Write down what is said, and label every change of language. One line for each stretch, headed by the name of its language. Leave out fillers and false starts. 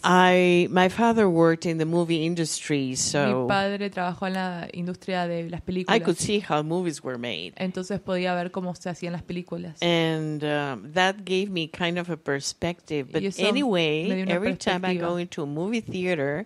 English: My father worked in the movie industry, so
Spanish: mi padre trabajó en la industria de las películas.
English: I could see how movies were made.
Spanish: Entonces podía ver cómo se hacían las películas.
English: And that gave me kind of a perspective, but anyway, every time I go into a movie theater,